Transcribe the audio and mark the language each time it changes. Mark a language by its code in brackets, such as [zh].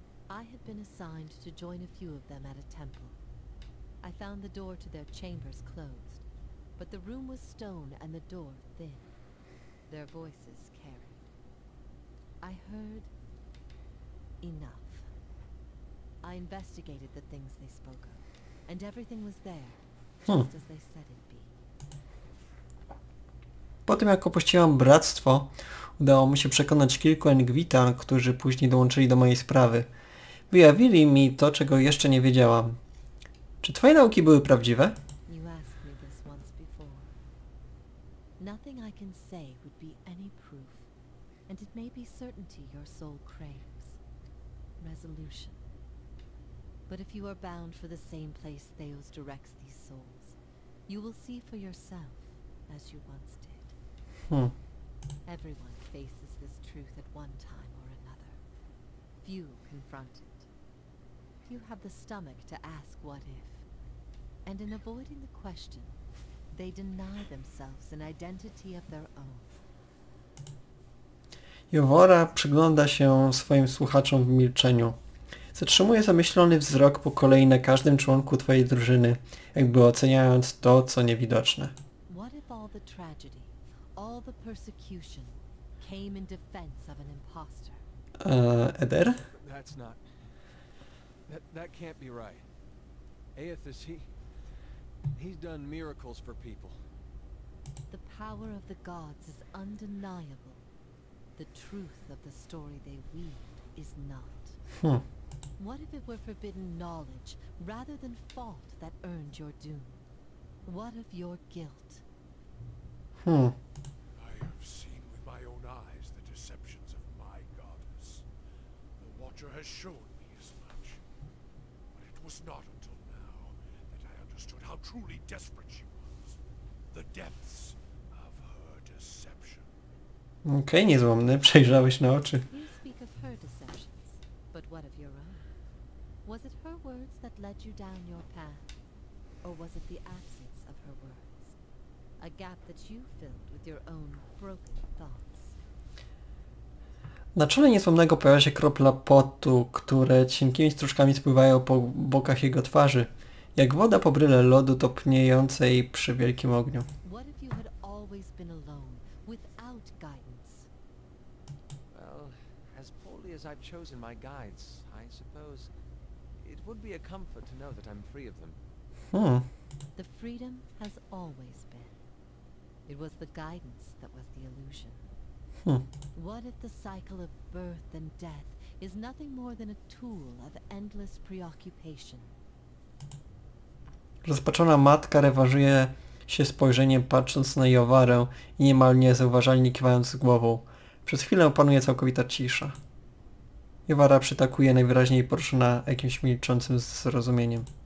[en] I had been assigned to join a few of them at a temple. I found the door to their chambers closed, but the room was stone and the door thin. Their voices carried. I heard enough. I investigated the things they spoke of, and everything was there, just as they said it'd be. [pl] Po tym jak opuściłam bractwo, udało mi się przekonać kilku Enguithan, którzy później dołączyli do mojej sprawy. Wyjawili mi to, czego jeszcze nie wiedziałam. Czy twoje nauki były prawdziwe? [en] You asked me this once before. Nothing I can say would be any proof, and it may be certainty your soul craves. Resolution. But if you are bound for the same place Theos directs these souls, you will see for yourself as you once did. Everyone faces this truth at one time or another. Few confront it. You have the stomach to ask what if. And in avoiding the question, they deny themselves an identity of their own. [pl] Jowora przygląda się swoim słuchaczom w milczeniu. Zatrzymuje zamyślony wzrok po kolei na każdym członku twojej drużyny, jakby oceniając to, co niewidoczne. [en] What if all the tragedy, all the persecution came in defense of an imposter? Eder? That's not... That can't be right. Aethys, he's done miracles for people. The power of the gods is undeniable. the truth of the story they weaved is not. Hmm. What if it were forbidden knowledge rather than fault that earned your doom? What of your guilt? Hmm. I have seen with my own eyes the deceptions of my goddess. The Watcher has shown me as much. But it was not until now that I understood how truly desperate she was. The depths of her deception. [pl] Okay, niezłomny, przejrzałeś na oczy. [en] You speak of her deceptions, but what of your own? Was it her words that led you down your path? Or was it the absence of her words? A gap that you filled with your own broken thoughts. [pl] Na czole niezłomnego pojawia się kropla potu, które cienkimi strużkami spływają po bokach jego twarzy, jak woda po bryle lodu topniejącej przy wielkim ogniu. [en] What if you had always been alone, without guidance? Well, as poorly as I've chosen my guides, I suppose it would be a comfort to know that I'm free of them. Hmm. The freedom has always been. It was the guidance that was the illusion. Hmm. What if the cycle of birth and death is nothing more than a tool of endless preoccupation? [pl] Rozpaczona matka rewarzuje się spojrzeniem, patrząc na Jowarę i niemal niezauważalnie kiwając głową. Przez chwilę panuje całkowita cisza. Jowara przytakuje, najwyraźniej poruszona jakimś milczącym zrozumieniem.